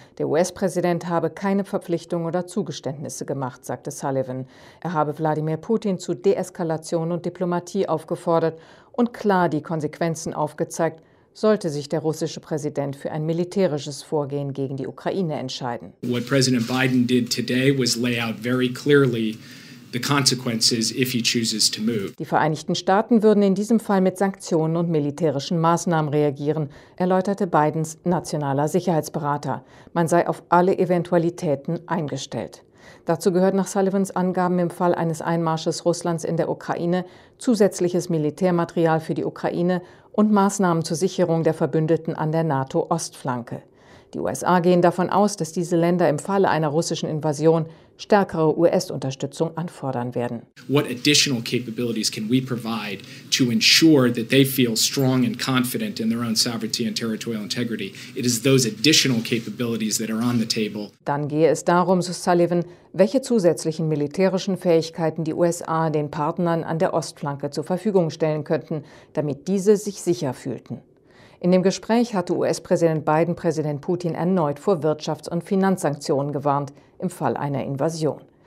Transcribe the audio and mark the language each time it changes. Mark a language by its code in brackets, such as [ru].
[de] Der US-Präsident habe keine Verpflichtungen oder Zugeständnisse gemacht, sagte Sullivan. Er habe Wladimir Putin zu Deeskalation und Diplomatie aufgefordert und klar die Konsequenzen aufgezeigt, sollte sich der russische Präsident für ein militärisches Vorgehen gegen die Ukraine entscheiden. [en] What President Biden did today was lay out very clearly the consequences if he chooses to move. [de] Die Vereinigten Staaten würden in diesem Fall mit Sanktionen und militärischen Maßnahmen reagieren, erläuterte Bidens nationaler Sicherheitsberater. Man sei auf alle Eventualitäten eingestellt. Dazu gehört nach Sullivans Angaben im Fall eines Einmarsches Russlands in der Ukraine zusätzliches Militärmaterial für die Ukraine und Maßnahmen zur Sicherung der Verbündeten an der NATO-Ostflanke. Die USA gehen davon aus, dass diese Länder im Falle einer russischen Invasion stärkere US-Unterstützung anfordern werden. [en] What additional capabilities can we provide to ensure that they feel strong and confident in their own sovereignty and territorial integrity? It is those additional capabilities that are on the table. [de] Dann gehe es darum, so Sullivan, welche zusätzlichen militärischen Fähigkeiten die USA den Partnern an der Ostflanke zur Verfügung stellen könnten, damit diese sich sicher fühlten. In dem Gespräch hatte US-Präsident Biden Präsident Putin erneut vor Wirtschafts- und Finanzsanktionen gewarnt im Fall einer Invasion.